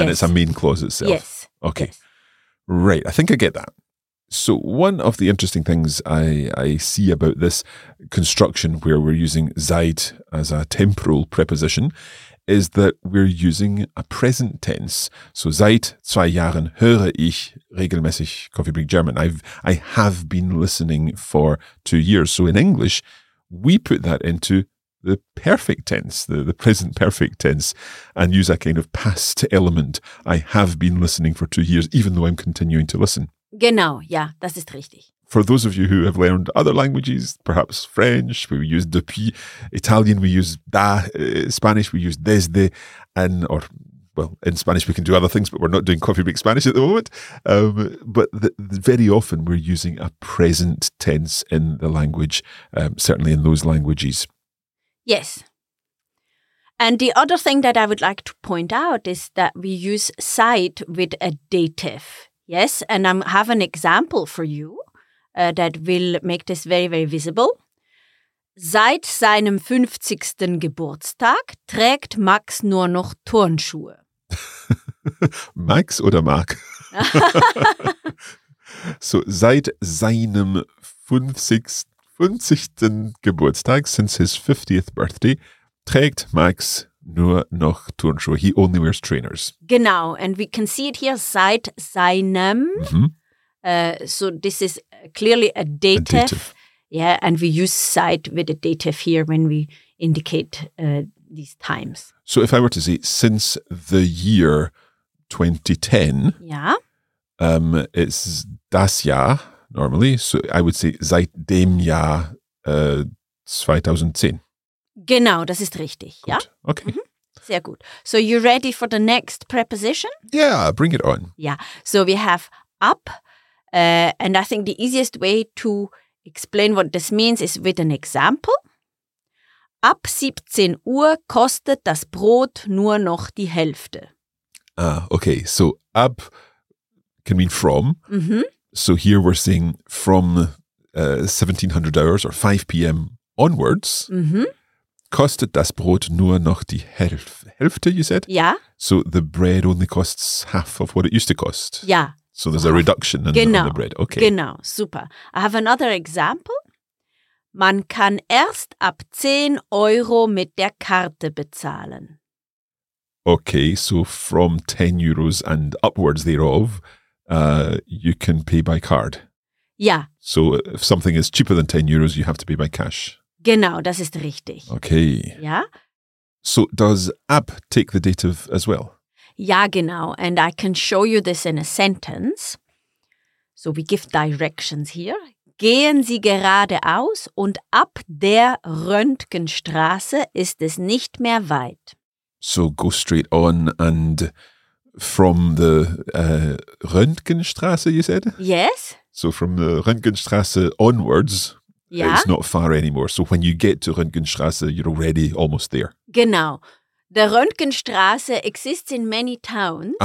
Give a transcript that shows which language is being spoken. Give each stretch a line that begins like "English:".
English: And it's a main clause itself. Yes. Okay. Yes. Right. I think I get that. So one of the interesting things I see about this construction where we're using Zeit as a temporal preposition is that we're using a present tense.
German: So seit zwei Jahren höre ich regelmäßig Coffee Break German.
English: I have been listening for 2 years. So in English, we put that into the perfect tense, the present perfect tense, and use a kind of past element. I have been listening for 2 years, even though I'm continuing to listen.
German: Genau, ja, das ist richtig.
English: For those of you who have learned other languages, perhaps French, we use depuis, Italian, we use da, Spanish, we use desde, and, or, well, in Spanish we can do other things, but we're not doing Coffee Break Spanish at the moment. Very often we're using a present tense in the language, certainly in those languages. Yes. And the other thing that I would like to point out is that we use seit with a dative. Yes, and I have an example for you that will make this very, very visible.
German: Seit seinem 50. Geburtstag trägt Max nur noch Turnschuhe. Max oder Mark? So, seit seinem 50. Geburtstag,
English: since his 50th birthday,
German: trägt Max nur noch Turnschuhe.
English: He only wears trainers.
German: Genau.
English: And we can see it here,
German: seit seinem. Mm-hmm.
English: So this is clearly a dative. Yeah, and we use seit with a dative here when we indicate these times. So if I were to say since the year 2010, yeah, it's
German: das Jahr
English: normally. So I would say
German: seit dem Jahr 2010. Genau, das ist richtig, gut. Ja?
English: Okay. Mm-hmm.
German: Sehr gut.
English: So you ready for the next preposition? Yeah, bring it on. Yeah, so we have up. And I think the easiest way to explain what this means is with an example.
German: Ab 17 Uhr kostet das Brot nur noch die Hälfte.
English: Ah, okay. So ab can mean from. Mm-hmm. So here we're saying from 1700 hours or 5 p.m. onwards. Mm-hmm.
German: Kostet das Brot nur noch die Hälfte,
English: you said?
German: Ja.
English: So the bread only costs half of what it used to cost.
German: Ja.
English: So there's a reduction in
German: genau.
English: The bread. Okay.
German: Genau, super.
English: I have another example.
German: Man kann erst ab 10 Euro mit der Karte bezahlen.
English: Okay, so from 10 euros and upwards thereof, you can pay by card.
German: Ja.
English: So if something is cheaper than 10 euros, you have to pay by cash.
German: Genau, das ist richtig.
English: Okay.
German: Ja.
English: So does ab take the dative as well?
German: Ja, genau.
English: And I can show you this in a sentence. So we give directions here.
German: Gehen Sie geradeaus und ab der Röntgenstraße ist es nicht mehr weit.
English: So go straight on and from the Röntgenstraße, you said? Yes. So from the Röntgenstraße onwards,
German: ja,
English: it's not far anymore. So when you get to Röntgenstraße, you're already almost there.
German: Genau.
English: The Röntgenstraße exists in many towns.